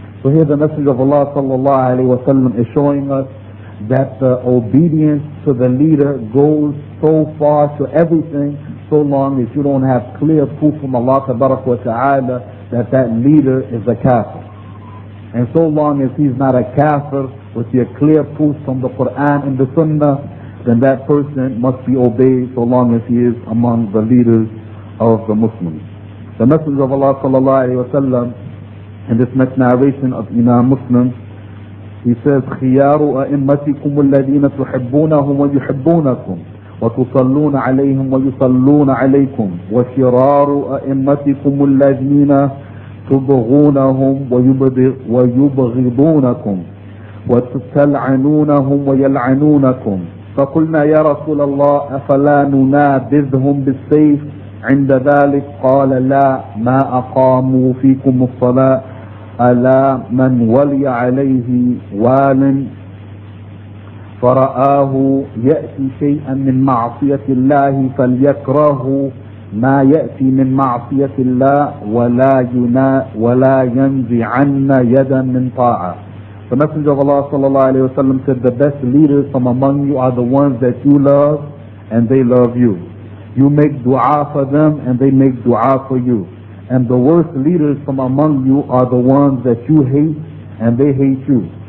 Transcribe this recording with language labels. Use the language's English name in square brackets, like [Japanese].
[English] So here the Messenger of Allah sallallahu alayhi wa sallam is showing us that the obedience to the leader goes so far to everything, so long as you don't have clear proof from Allah tabarak wa ta'ala that that leader is a kafir. And so long as he's not a kafir with your clear proof from the Quran and the Sunnah, then that person must be obeyed so long as he is among the leaders of the Muslims. The Messenger of Allah sallallahu alayhi wa sallam, in this next narration of Imam Muslim, he says, [Arabic] خِيَارُ أَئِمَّتِكُمُ الَّذِينَ تُحِبُّونَهُمْ وَيُحِبُّونَكُمْ وَتُصَلُّونَ عَلَيْهِمْ وَيُصَلُّونَ عَلَيْكُمْ وَشِرَارُ أَئِمَّتِكُمُ الَّذِينَ تُبْغُونَهُمْ وَيُبْغِضُونَكُمْ وَتَلْعَنُونَهُمْ وَيَلْعَنُونَكُمْ فَقُلْنَا يَا رَسُولَ اللَّهِ أَفَلَا نُنَابِذْهُمْ بِالسَّيْفِ عند ذلك قال لا ما أقاموا فيكم الصلاة ألا من ولي عليه وال فرآه يأتي شيئا من معصية الله فليكره ما يأتي من معصية الله ولا ينا ولا ينزي عنا يدا من طاعة. [English] The Messenger of Allah sallallahu alayhi wa sallam said, the best leaders from among you are the ones that you love and they love you. You make dua for them and they make dua for you. And the worst leaders from among you are the ones that you hate and they hate you.